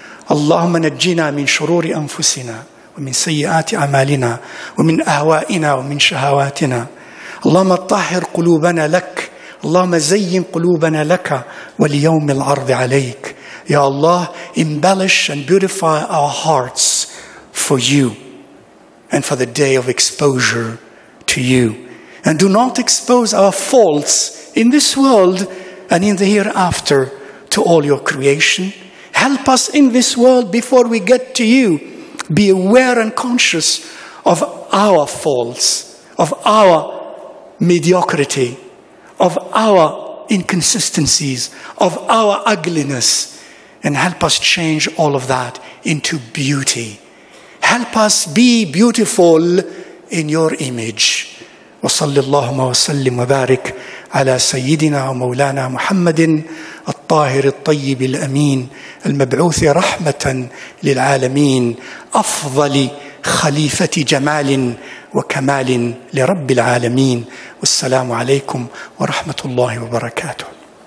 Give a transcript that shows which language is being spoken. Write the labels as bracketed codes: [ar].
[ar] اللهم نجنا من شرور أنفسنا ومن سيئات أعمالنا ومن أهوائنا ومن شهواتنا. اللهم طهر قلوبنا لك. اللهم زين قلوبنا لك وليوم العرض عليك. [en] يا الله, embellish and beautify our hearts for you and for the day of exposure to you. And do not expose our faults in this world and in the hereafter to all your creation. Help us in this world before we get to you. Be aware and conscious of our faults, of our mediocrity, of our inconsistencies, of our ugliness, and help us change all of that into beauty. Help us be beautiful in your image. [ar] Wa sallallahu wa sallim wa barik ala sayyidina wa maulana Muhammadin الطاهر الطيب الأمين المبعوث رحمة للعالمين أفضل خليفة جمال وكمال لرب العالمين. والسلام عليكم ورحمة الله وبركاته.